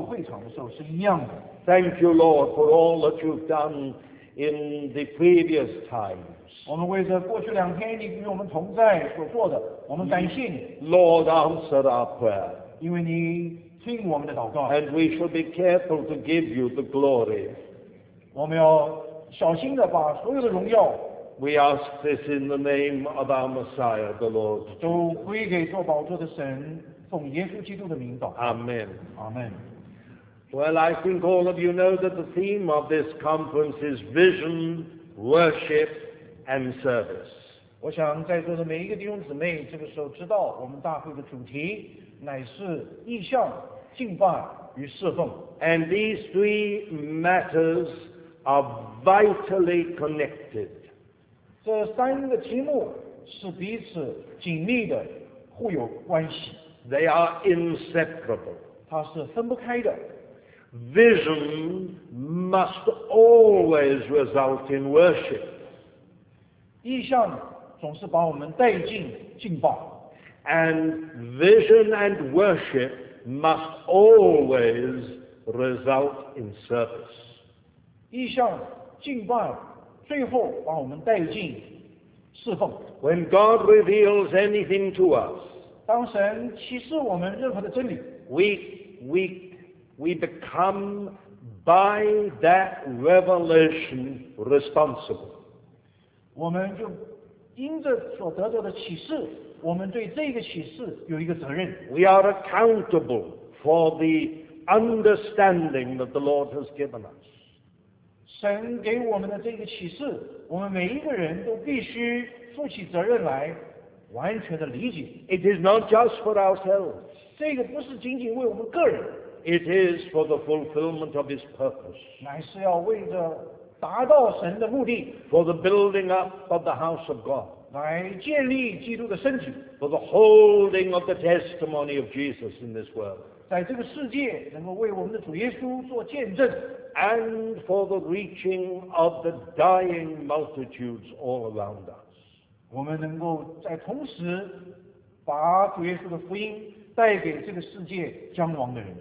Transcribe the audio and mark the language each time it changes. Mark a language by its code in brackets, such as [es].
[zh] 不让我们离开这个会场的时候，跟进这个会场的时候是一样的。 [en] Thank you, Lord, for all that you've done in the previous time. [zh] 我们为着过去两天你与我们同在所做的，我们感谢你。 [en] Lord, answer our prayer. [zh] 因为你听我们的祷告。 [en] And we shall be careful to give you the glory. [zh] 我们要小心地把所有的荣耀。 [en] We ask this in the name of our Messiah, the Lord. [zh] 都归给做宝座的神，奉耶稣基督的名祷告。 [en] Amen. Amen. Well, I think all of you know that the theme of this conference is vision, worship, and service. [zh] 我想在座的每一个弟兄姊妹这个时候知道我们大会的主题乃是意象、敬拜与侍奉。 [en] And these three matters are vitally connected. [zh] 这三个题目是彼此紧密的互有关系。 [en] They are inseparable. [zh] 它是分不开的。 [en] Vision must always result in worship. [zh] 意象总是把我们带进敬拜。 [en] And vision and worship must always result in service. [zh] 意象敬拜最后把我们带进侍奉。 [en] When God reveals anything to us, [zh] 当神启示我们任何的真理， [en] we become by that revelation responsible. [zh] 我们就因着所得到的启示，我们对这个启示有一个责任。 [en] We are accountable for the understanding that the Lord has given us. [zh] 神给我们的这个启示，我们每一个人都必须负起责任来，完全的理解。 [en] It is not just for ourselves. [zh] 这个不是仅仅为我们个人。 [en] It is for the fulfillment of His purpose. [zh] 乃是要为着达到神的目的。 [en] For the building up of the house of God. [zh] 来建立基督的身体。 [en] For the holding of the testimony of Jesus in this world. [zh] 在这个世界能够为我们的主耶稣做见证。 [en] And for the reaching of the dying multitudes all around us. [zh] 我们能够在同时把主耶稣的福音带给这个世界将亡的人。